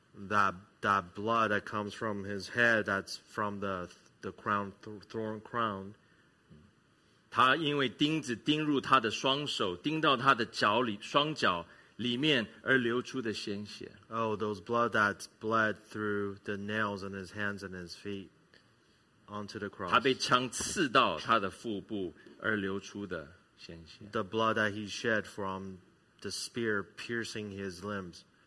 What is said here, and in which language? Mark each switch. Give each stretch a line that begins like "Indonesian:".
English: that blood that comes from his head, that's from the crown, thorn crown.
Chinese: 他因为钉子钉入他的双手,钉到他的脚里,双脚里面而流出的鲜血。
English: Oh, those blood that bled through the nails in his hands and his feet. Onto the cross.
Chinese: 他被枪刺到他的腹部而流出的鲜血。
English: The blood that he shed from the spear piercing his limbs.